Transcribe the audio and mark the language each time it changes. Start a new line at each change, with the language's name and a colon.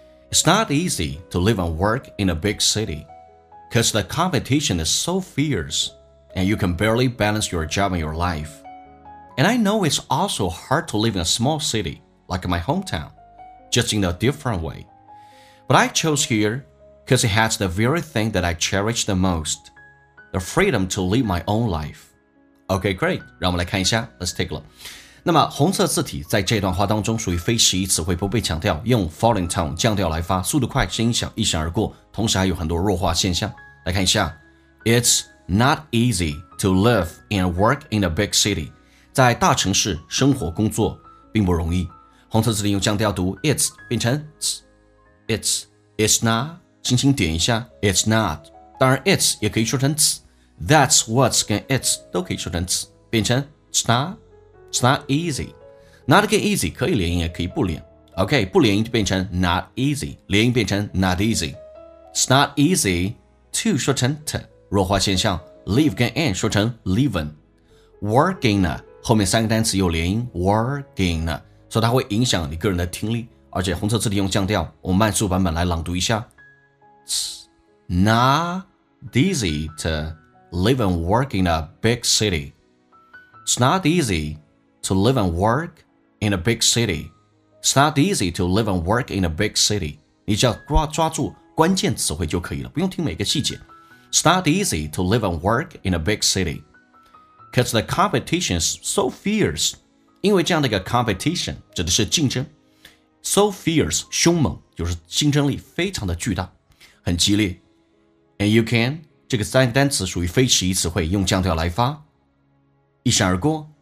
English: It's not easy to live and work in a big city, cause the competition is so fierce, and you can barely balance your job and your life. And I know it's also hard to live in a small city, like my hometown. Just in a different way. But I chose here because it has the very thing that I cherish the most. The freedom to live my own life. Okay, great.
Chinese: 让我们来看一下。
English: Let's take a look.
Chinese: 那么红色字体在这段话当中属于非习义词汇，不被强调，用 falling tone 降调来发，速度快，声音响，一闪而过，同时还有很多弱化现象。来看一下。
English: It's not easy to live and work in a big city.
Chinese: 在大城市生活工作并不容易。红色字体用降调读 it's 变成 it's not， 轻轻点一下 it's not， 当然 it's 也可以说成 that's what's 跟 it's 都可以说成 变成 it's not easy， not 跟 easy 可以连音也可以不连， OK， 不连音就变成 not easy， 连音变成 not easy， it's not easy to 说成 t， 弱化现象 live 跟 and 说成 living， working 呢后面三个单词有连音 working 呢，所以它会影响你个人的听力，而且红色字体用降调，我们慢速版本来朗读一下。
English: It's not easy to live and work in a big city. It's not easy to live and work in a big city. It's not easy to live and work in a big city.
Chinese: 你只要抓住关键词汇就可以了，不用听每个细节。
English: It's not easy to live and work in a big city. Because the competition is so fierce.
Chinese: 因为这样的一个 competition 指的是竞争， so fierce 凶猛，就是竞争力非常的巨大，很激烈。
English: And you can
Chinese: 这个单词属于非习义词汇，用降调来发，一闪而过。